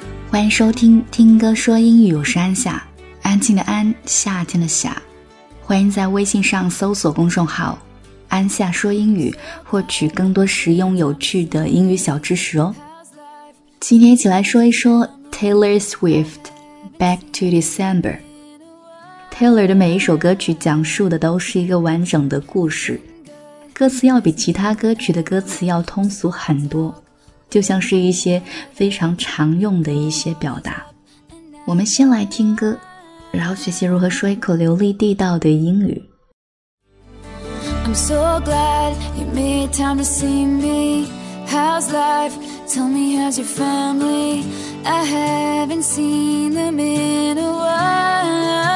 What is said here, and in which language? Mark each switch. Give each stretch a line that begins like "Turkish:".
Chinese: 欢迎收听听歌说英语，我是安夏，安静的安，夏天的夏。欢迎在微信上搜索公众号安夏说英语，获取更多实用有趣的英语小知识哦。今天一起来说一说 Taylor Swift Back to December。 Taylor 的每一首歌曲讲述的都是一个完整的故事，歌词要比其他歌曲的歌词要通俗很多，就像是一些非常常用的一些表达。我们先来听歌，然后学习如何说一口流利地道的英语。
English: I'm so glad you made time to see me. How's life? Tell me, how's your family? I haven't seen them in a while.